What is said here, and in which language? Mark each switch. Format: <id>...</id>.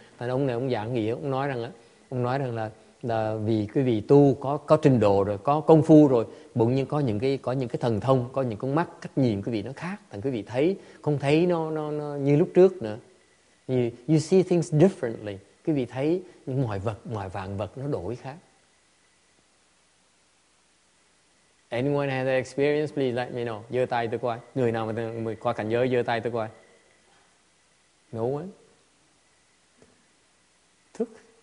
<vi>Thành ông này ông giảng nghĩa, ông nói rằng là vì quý vị tu có trình độ rồi, có công phu rồi, bỗng nhiên có những cái thần thông, có những con mắt cách nhìn quý vị nó khác, thành quý vị thấy không thấy nó như lúc trước nữa.</vi> <en>You see things differently.</en> <vi>Quý vị thấy những mọi vật, mọi vạn vật nó đổi khác.</vi> <en>Anyone had that experience, please let me know.</en> <vi>Giơ tay tôi coi. Người nào mà qua cảnh giới giơ tay tôi coi.</vi> <en>No one. Thuk.</en>